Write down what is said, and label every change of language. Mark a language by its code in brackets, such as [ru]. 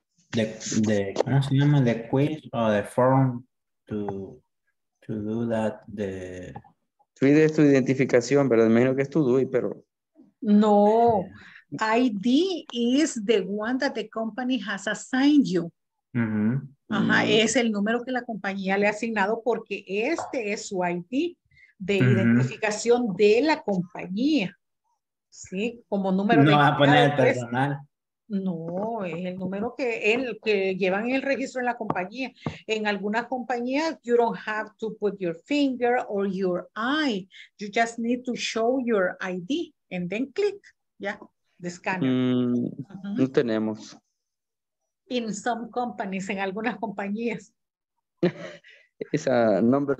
[en] The quiz or the form to do that, the [es] ID es tu identificación, pero imagino que es tu DUI, pero [en] no, ID is the one that the company has assigned you. Uh-huh. Ajá, uh-huh. [es] Es el número que la compañía le ha asignado porque este es su ID de uh-huh. identificación de la compañía. Sí, como número. No va a poner el personal. No, es el número que llevan el registro en la compañía. En algunas compañías, [en] you don't have to put your finger or your eye. You just need to show your ID and then click, yeah, the scanner. [es] Uh-huh. No tenemos. [en] In some companies, [es] en algunas compañías. [en] Es a number